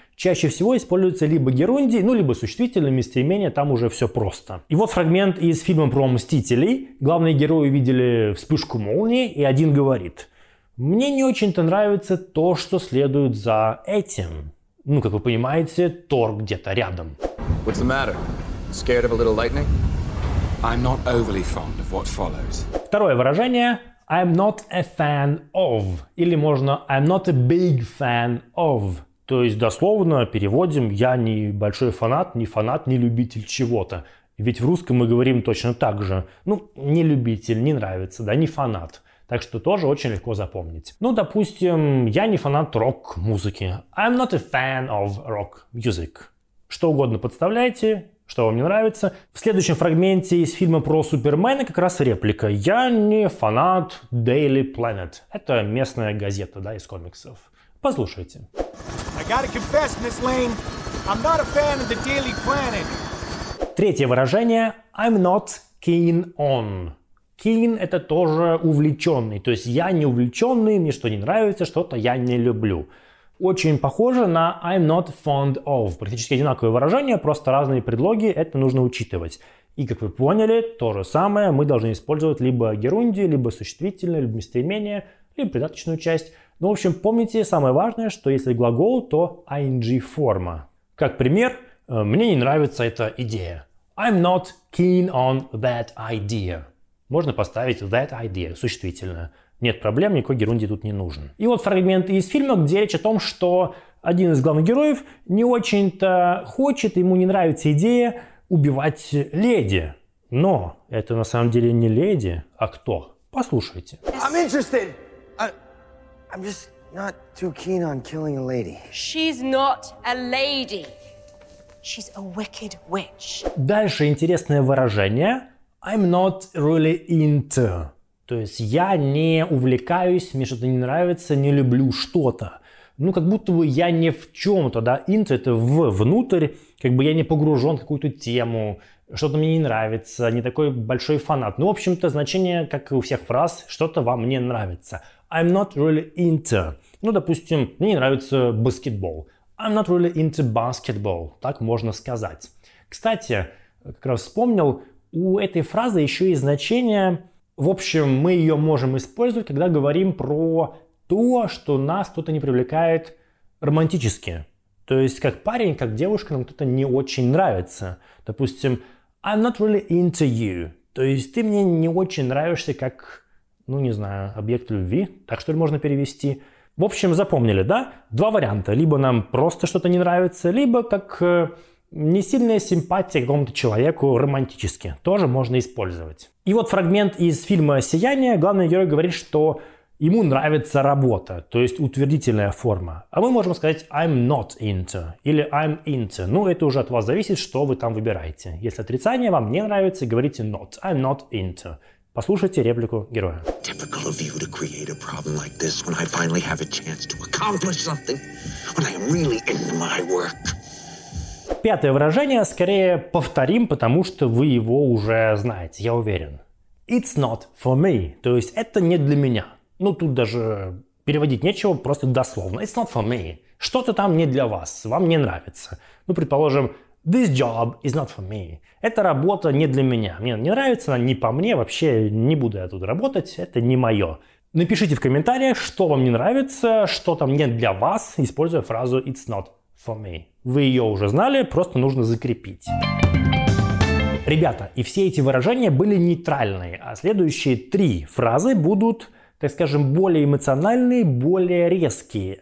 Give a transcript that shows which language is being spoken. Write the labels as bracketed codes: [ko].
[ru] Чаще всего используется либо герундий, ну, либо существительное местоимение. Там уже все просто. И вот фрагмент из фильма про Мстителей. Главные герои видели вспышку молнии, и один говорит. Мне не очень-то нравится то, что следует за этим. Ну, как вы понимаете, Тор где-то рядом. [en] What's the matter? Scared of a little lightning? I'm not overly fond of what follows. [ru] Второе выражение. [en] I'm not a fan of. [ru] Или можно [en] I'm not a big fan of. [ru] То есть дословно переводим я не большой фанат, не любитель чего-то. Ведь в русском мы говорим точно так же. Ну, не любитель, не нравится, да, не фанат. Так что тоже очень легко запомнить. Ну, допустим, я не фанат рок-музыки. [en] I'm not a fan of rock music. [ru] Что угодно подставляйте. Что вам не нравится? В следующем фрагменте из фильма про Супермена как раз реплика. Я не фанат Daily Planet. Это местная газета, да, из комиксов. Послушайте. [en] I gotta confess, Miss Lane, I'm not a fan of the Daily Planet. [ru] Третье выражение. [en] I'm not keen on. [ru] Keen – это тоже увлеченный. То есть я не увлеченный, мне что не нравится, что-то я не люблю. Очень похоже на [en] I'm not fond of. [ru] Практически одинаковое выражение, просто разные предлоги, это нужно учитывать. И как вы поняли, то же самое мы должны использовать либо герундий, либо существительное, либо местоимение, либо придаточную часть. Но в общем, помните самое важное, что если глагол, то ing форма. Как пример, мне не нравится эта идея. [en] I'm not keen on that idea. [ru] Можно поставить [en] that idea, [ru] существительное. Нет проблем, никакой герундий тут не нужен. И вот фрагмент из фильма, где речь о том, что один из главных героев не очень-то хочет, ему не нравится идея убивать леди. Но это на самом деле не леди, а кто? Послушайте. [en] I'm interested. I'm just not too keen on killing a lady. She's not a lady. She's a wicked witch. [ru] Дальше интересное выражение. [en] I'm not really into. [ru] То есть я не увлекаюсь, мне что-то не нравится, не люблю что-то. Ну, как будто бы я не в чем-то, да, into это внутрь, как бы я не погружен в какую-то тему, что-то мне не нравится, не такой большой фанат. Ну, в общем-то, значение, как и у всех фраз, что-то вам не нравится. [en] I'm not really into. [ru] Ну, допустим, мне не нравится баскетбол. [en] I'm not really into basketball. [ru] Так можно сказать. Кстати, как раз вспомнил, у этой фразы еще и значение... В общем, мы ее можем использовать, когда говорим про то, что нас кто-то не привлекает романтически. То есть, как парень, как девушка, нам кто-то не очень нравится. Допустим, [en] I'm not really into you. [ru] То есть, ты мне не очень нравишься как, ну не знаю, объект любви. Так что ли можно перевести? В общем, запомнили, да? Два варианта. Либо нам просто что-то не нравится, либо как не сильная симпатия к какому-то человеку романтически. Тоже можно использовать. И вот фрагмент из фильма «Сияние». Главный герой говорит, что ему нравится работа, то есть утвердительная форма. А мы можем сказать [en] «I'm not into» [ru] или [en] «I'm into». [ru] Ну, это уже от вас зависит, что вы там выбираете. Если отрицание, вам не нравится, говорите «not», [en] «I'm not into». [ru] Послушайте реплику героя. [en] Typical of you to create a problem like this when I finally have a chance to accomplish something, when I am really in my work. [ru] Пятое выражение скорее повторим, потому что вы его уже знаете, я уверен. [en] It's not for me. [ru] То есть это не для меня. Ну тут даже переводить нечего, просто дословно. [en] It's not for me. [ru] Что-то там не для вас, вам не нравится. Ну, предположим, [en] this job is not for me. [ru] Эта работа не для меня. Мне не нравится, она не по мне, вообще не буду я тут работать, это не мое. Напишите в комментариях, что вам не нравится, что там не для вас, используя фразу [en] it's not for me. [ru] Вы ее уже знали, просто нужно закрепить. Ребята, и все эти выражения были нейтральные, а следующие три фразы будут, так скажем, более эмоциональные, более резкие.